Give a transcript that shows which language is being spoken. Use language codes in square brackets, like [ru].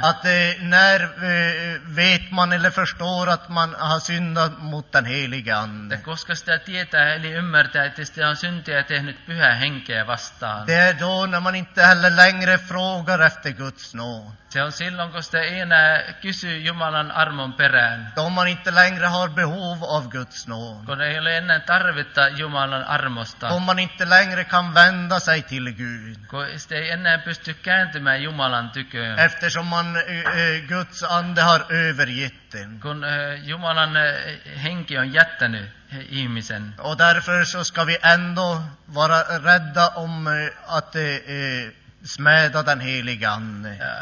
[sv] Att när vet man eller förstår att man har syndat mot den helige ande. [fi] Ja koska sitä tietää eli ymmärtää, että sitä on syntiä tehnyt pyhää henkeä vastaan. [sv] Det är då när man inte heller längre frågar efter Guds nåd. [fi] Se on silloin, kun sitä ei enää kysy Jumalan armon perään. [sv] Då man inte längre har behov av Guds nåd. [fi] Kun ei ole enää tarvetta Jumalan armosta. [sv] Då man inte längre kan vända sig till Gud. [fi] Kun sitä ei enää pysty kääntymään Jumalan tyköön. [sv] Eftersom man Guds ande har övergett den. [fi] Kun Jumalan henki on jättänyt ihmisen. [sv] Och därför så ska vi ändå vara rädda om att smäda den helige ande.